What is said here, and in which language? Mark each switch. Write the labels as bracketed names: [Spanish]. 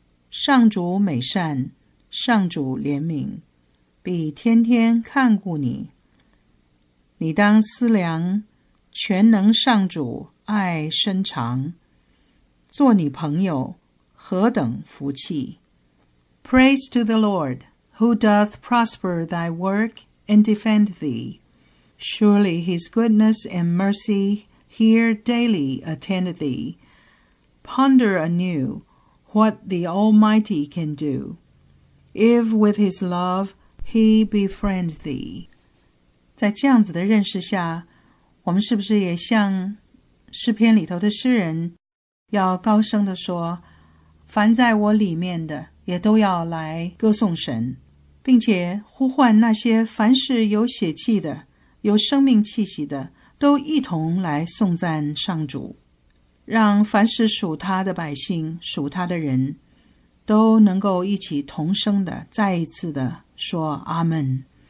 [Chinese] 上主美善，上主怜悯，必天天看顾你。你当思量全能上主爱深长，做你朋友何等福气。 [English] Praise to the Lord, who doth prosper thy work and defend thee. Surely his goodness and mercy here daily attend thee. Ponder anew what the Almighty can do, if with his love he befriend thee. [Chinese] 在这样子的认识下，我们是不是也像诗篇里头的诗人要高声地说，凡在我里面的也都要来歌颂神，并且呼唤那些凡是有血气的、有生命气息的，都一同来颂赞上主，让凡是属他的百姓、属他的人都能够一起同声的再一次的说阿们。